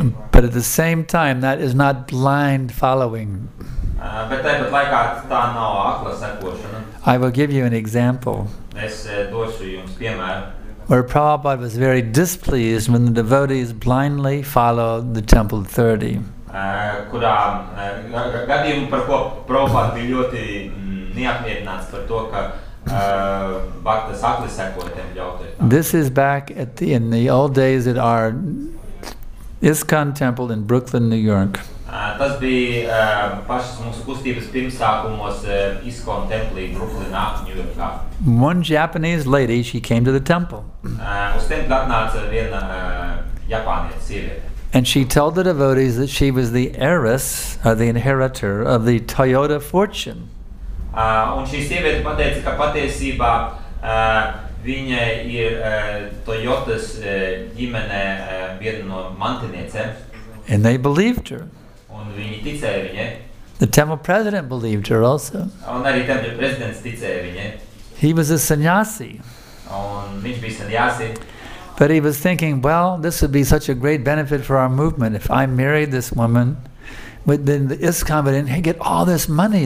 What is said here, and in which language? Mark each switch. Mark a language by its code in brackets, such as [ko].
[en] But at the same time, that is not blind following. [lv] Bet tāpat laikā tā nav akla sekošana. [en] I will give you an example. [lv] Es došu jums piemēru. [en] Where Prabhupada was very displeased when the devotees blindly followed the temple authority. [lv] Gadījumu, par ko Prabhupada bija ļoti neapmierināts par to, ka baktas akli seko tempļa autoritātēm. [en] This is back at in the old days at our ISKCON temple in Brooklyn, New York. [lv] Tas bija pašas mūsu kustības pirmsākumos ISKCON templī Brooklynā, New Yorkā. [en] One Japanese lady, she came to the temple. [lv] Uz templi atnāca viena japāniete sieviete. [en] And she told the devotees that she was the heiress, or the inheritor, of the Toyota fortune. [lv] Un šī sieviete pateica, ka patiesībā viņa ir Toyotas ģimene viena no mantiniecēm. [en] And they believed her. [lv] Un viņi ticēja viņai. [en] The temple president believed her also. [lv] Un arī temple prezidents ticēja viņai. [en] He was a sannyasi. [lv] Un viņš bija sannyasi. [en] But he was thinking, well, this would be such a great benefit for our movement. If I married this woman, then the ISKCON would get all this money.